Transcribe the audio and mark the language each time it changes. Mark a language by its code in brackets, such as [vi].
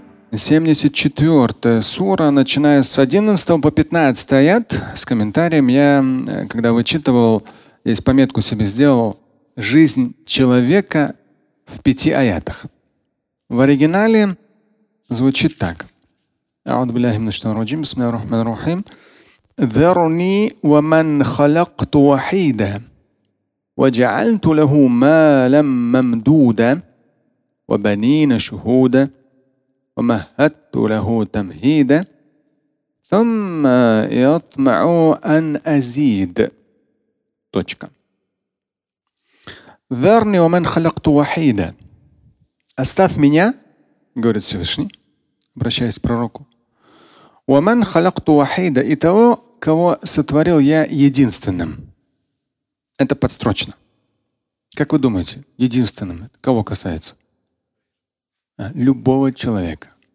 [ru] 74-я сура, начиная с 11 по 15 аят, с комментарием. Я, когда вычитывал, здесь пометку себе сделал: «Жизнь человека в 5 аятах». В оригинале звучит так. [ar] أعوذ بالله من الشيطان الرجيم بسم الله الرحمن الرحيم ذرني ومن خلقت وحيدا وجعلت له مالا ممدودا وبنين شهودا ومهدت له تمهيدا ثم يطمع أن أزيد точка. ذرني ومن خلقت وحيدا. [ru] Оставь меня, говорит Всевышний, обращаясь к пророку. [ar] وَمَنْ خَلَقْتُ وَحِيدًا. [ru] И того, кого сотворил я единственным. Это подстрочно. Как вы думаете, единственным кого касается? Любого человека.